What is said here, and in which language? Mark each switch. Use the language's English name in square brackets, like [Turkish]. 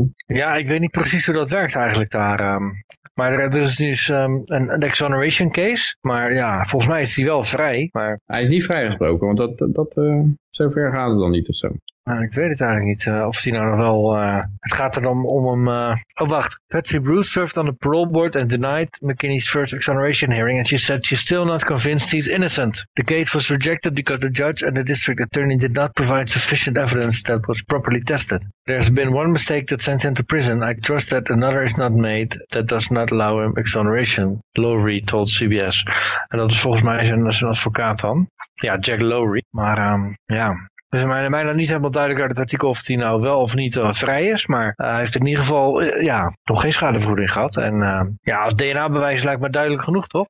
[Dutch] Ja, ik weet niet precies hoe dat werkt eigenlijk daar. Maar er is dus een exoneration case. Maar ja, volgens mij is hij wel vrij. Maar... Hij is niet vrijgesproken, want zover gaan ze dan niet of zo. Nou, ik weet het eigenlijk niet of hij nou nog wel... Het gaat er dan om hem... [English] Patsy Bruce served on the parole board and denied McKinney's first exoneration hearing. And she said she's still not convinced he's innocent. The case was rejected because the judge and the district attorney did not provide sufficient evidence that was properly tested. There's been one mistake that sent him to prison. I trust that another is not made that does not allow him exoneration. Lowry told CBS. [Dutch] En dat is volgens mij zijn advocaat dan. Ja, Jack Lowry. Maar Dus mij nog niet helemaal duidelijk uit het artikel of die nou wel of niet vrij is. Maar hij heeft in ieder geval nog geen schadevergoeding gehad. En als DNA-bewijs lijkt me duidelijk genoeg, toch?